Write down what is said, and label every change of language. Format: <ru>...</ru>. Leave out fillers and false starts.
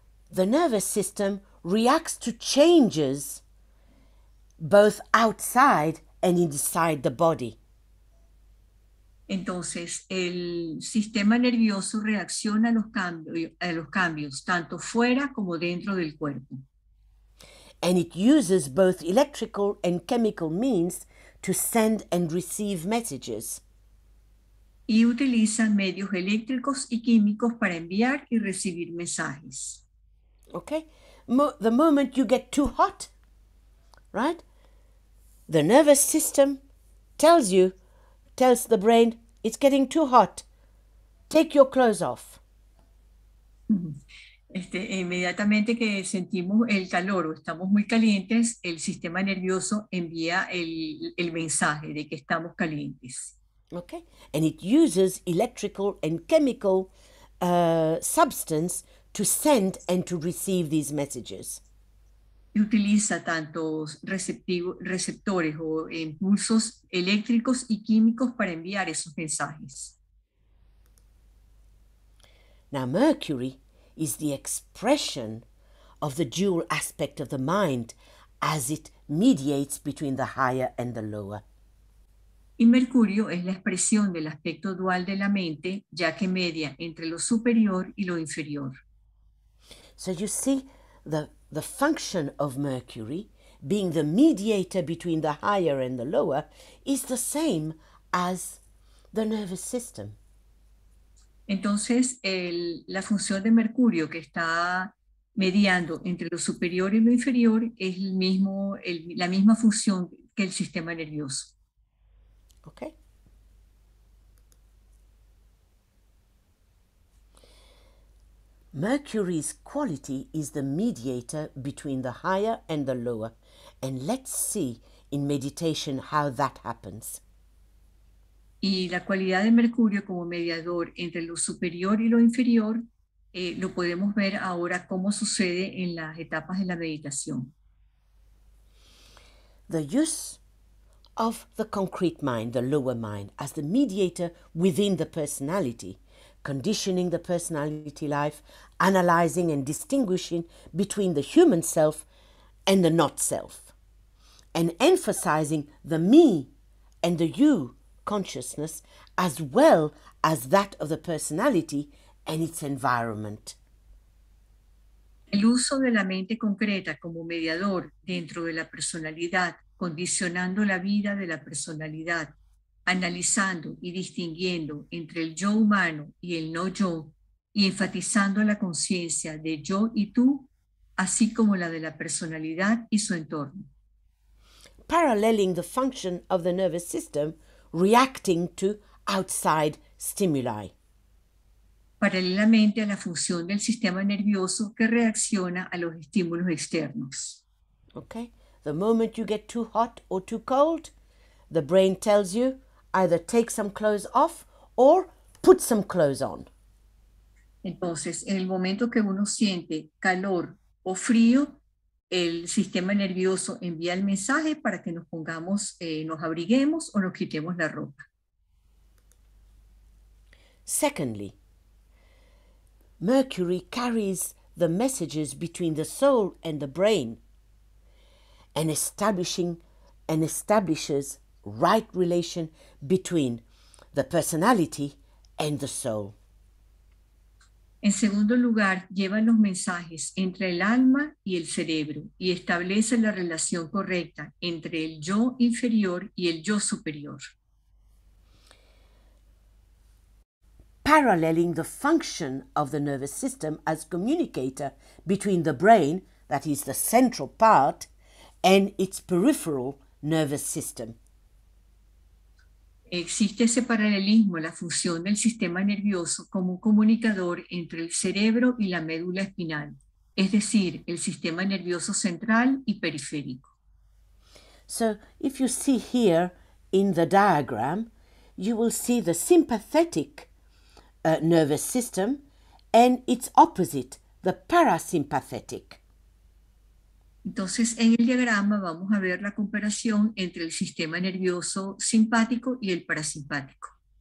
<en>The nervous system reacts to changes both outside and inside the body.</en> <es>Entonces, el sistema nervioso reacciona a los cambios, tanto fuera como dentro del cuerpo.</es> <en>And it uses both electrical and chemical means to send and receive messages.</en> <es>Y utiliza medios eléctricos y químicos para enviar y recibir mensajes.</es> <en>Okay. The moment you get too hot, right? The nervous system tells the brain, it's getting too hot. Take your clothes off.</en> <es>Inmediatamente que sentimos el calor o estamos muy calientes, el sistema nervioso envía el mensaje de que estamos calientes.</es> <en>Okay. And it uses electrical and chemical substance to send and to receive these messages.</en> <es>Y utiliza tantos receptores o impulsos eléctricos y químicos para enviar esos mensajes.</es> <en>Now, Mercury is the expression of the dual aspect of the mind as it mediates between the higher and the lower.</en> <es>Y Mercurio es la expresión del aspecto dual de la mente, ya que media entre lo superior y lo inferior.</es> <en>So you see the function of Mercury, being the mediator between the higher and the lower, is the same as the nervous system.</en> <es>Entonces, la función de Mercurio que está mediando entre lo superior y lo inferior es la misma función que el sistema nervioso.</es> <en>Okay. Mercury's quality is the mediator between the higher and the lower. And let's see in meditation how that happens.</en> <es>Y la cualidad de Mercurio como mediador entre lo superior y lo inferior, lo podemos ver ahora cómo sucede en las etapas de la meditación.</es> <en>The use of the concrete mind, the lower mind, as the mediator within the personality, conditioning the personality life, analyzing and distinguishing between the human self and the not self, and emphasizing the me and the you consciousness as well as that of the personality and its environment.</en> <es>El uso de la mente concreta como mediador dentro de la personalidad, condicionando la vida de la personalidad, analizando y distinguiendo entre el yo humano y el no yo, y enfatizando la conciencia de yo y tú, así como la de la personalidad y su entorno.</es> <en>Paralleling the function of the nervous system, reacting to outside stimuli.</en> <es>Paralelamente a la función del sistema nervioso que reacciona a los estímulos externos.</es> <en>Okay. The moment you get too hot or too cold, the brain tells you either take some clothes off or put some clothes on.</en> <es>Entonces, en el momento que uno siente calor o frío, el sistema nervioso envía el mensaje para que nos pongamos, nos abriguemos o nos quitemos la ropa.</es> <en>Secondly, Mercury carries the messages between the soul and the brain and establishes right relation between the personality and the soul.</en> <es>En segundo lugar, lleva los mensajes entre el alma y el cerebro y establece la relación correcta entre el yo inferior y el yo superior.</es> <en>Paralleling the function of the nervous system as communicator between the brain, that is the central part, and its peripheral nervous system.</en> <es>Existe ese paralelismo, la función del sistema nervioso como comunicador entre el cerebro y la médula espinal, es decir, el sistema nervioso central y periférico.</es> <en>So, if you see here in the diagram, you will see the sympathetic nervous system and its opposite, the parasympathetic.</en> <es>Entonces, en el diagrama vamos a ver la comparación entre el sistema nervioso simpático y el parasimpático.</es>